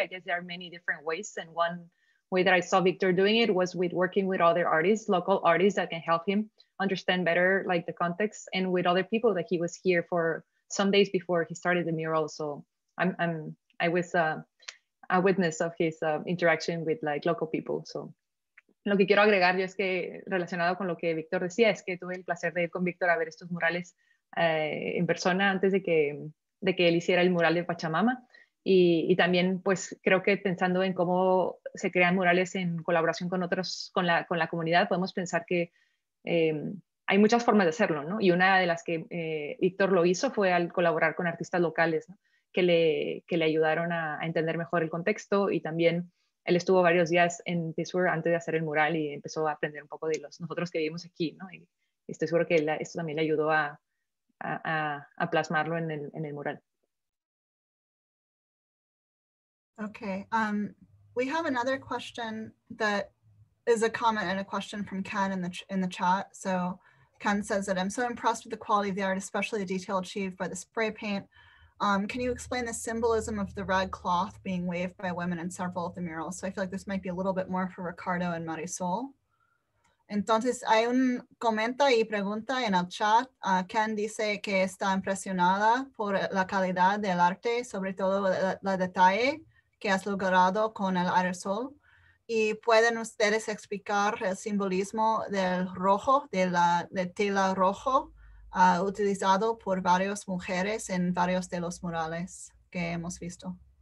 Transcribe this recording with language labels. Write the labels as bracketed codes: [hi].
[en] I guess there are many different ways. And one way that I saw Victor doing it was with working with other artists, local artists that can help him understand better like the context, and with other people that he was here for some days before he started the mural. So I was a witness of his interaction with like local people. [es] So lo que quiero agregar yo es que relacionado con lo que Victor decía es que tuve el placer de ir con Victor a ver estos murales en persona antes de que él hiciera el mural de Pachamama. Y también pues creo que pensando en cómo se crean murales en colaboración con otros, con la comunidad, podemos pensar que hay muchas formas de hacerlo, ¿no? Y una de las que Víctor lo hizo fue al colaborar con artistas locales, ¿no? que le ayudaron a entender mejor el contexto. Y también él estuvo varios días en Pittsburgh antes de hacer el mural y empezó a aprender un poco de nosotros que vivimos aquí, ¿no? Y estoy seguro que esto también le ayudó a plasmarlo en el mural. [en] Okay, we have another question that is a comment and a question from Ken in the chat. So Ken says that, "I'm so impressed with the quality of the art, especially the detail achieved by the spray paint. Can you explain the symbolism of the red cloth being waved by women in several of the murals?" So I feel like this might be a little bit more for Ricardo and Marisol. [es] Entonces hay un comenta y pregunta en el chat. Ken dice que está impresionada por la calidad del arte, sobre todo la detalle que has logrado con el aerosol. ¿Y pueden ustedes explicar el simbolismo del rojo, de tela rojo, utilizado por varias mujeres en varios de los murales que hemos visto?